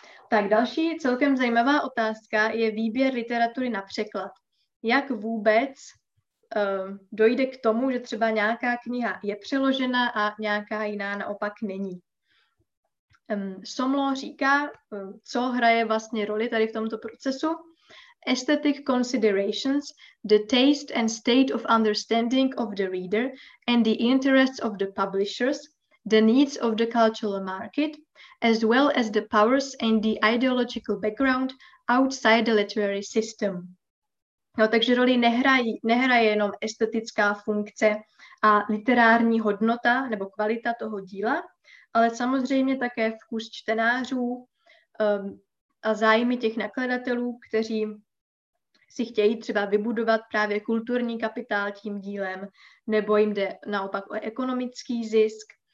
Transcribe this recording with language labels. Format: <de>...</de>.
<cs>Tak další celkem zajímavá otázka je výběr literatury na překlad. Jak vůbec dojde k tomu, že třeba nějaká kniha je přeložena a nějaká jiná naopak není. Somlo říká, co hraje vlastně roli tady v tomto procesu.</cs> <en>Aesthetic considerations, the taste and state of understanding of the reader and the interests of the publishers, the needs of the cultural market, as well as the powers and the ideological background outside the literary system.</en> <cs>No, takže roli nehraje jenom estetická funkce a literární hodnota nebo kvalita toho díla, ale samozřejmě také vkus čtenářů a zájmy těch nakladatelů, kteří si chtějí třeba vybudovat právě kulturní kapitál tím dílem, nebo jim jde naopak o ekonomický zisk.</cs>